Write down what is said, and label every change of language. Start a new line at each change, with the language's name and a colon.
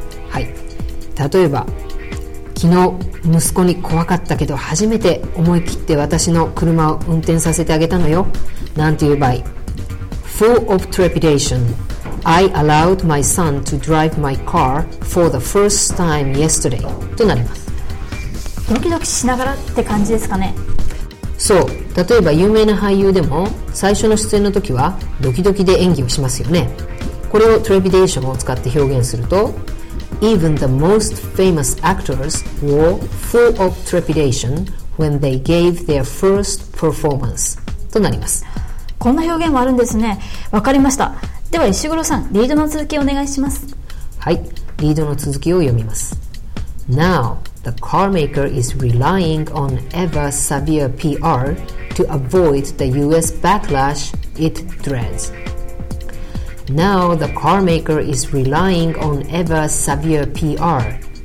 Japanese: はい、例えば昨日息子に怖かったけど初めて思い切って私の車を運転させてあげたのよなんていう場合、
English: Full of trepidation, I allowed my son to drive my car for the first time yesterday
Japanese: となります。ドキドキしながらって感じですかね。そう、例えば有名な俳優でも最初の出演の時はドキドキで演技をしますよね。これを trepidation を使って表現すると、
English: Even the most famous actors were full of trepidation when they gave their first performance
Japanese: となります。こんな表現もあるんですね。わかりました。では石黒さん、リードの続きをお願いします。はい、リードの続きを読みます。
English: Now the car maker is relying on ever savvier PR to avoid the US backlash it dreads。 Now the car maker is relying on ever severe PR.